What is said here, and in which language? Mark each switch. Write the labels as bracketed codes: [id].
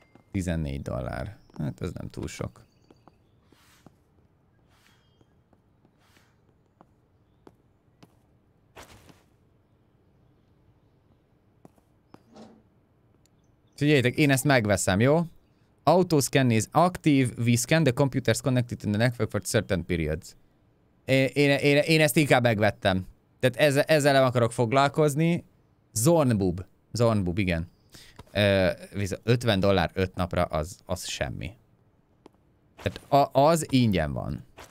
[hu] 14 dollár. Hát ez nem túl sok. Figyeljétek, én ezt megveszem, jó? [en] Auto scan is active, we scan the computers connected to the network for certain periods. [hu] Én ezt inkább megvettem. Tehát ezzel nem akarok foglalkozni. Zornbub, igen. Viszont 50 dollár 5 napra az semmi. Tehát az ingyen van.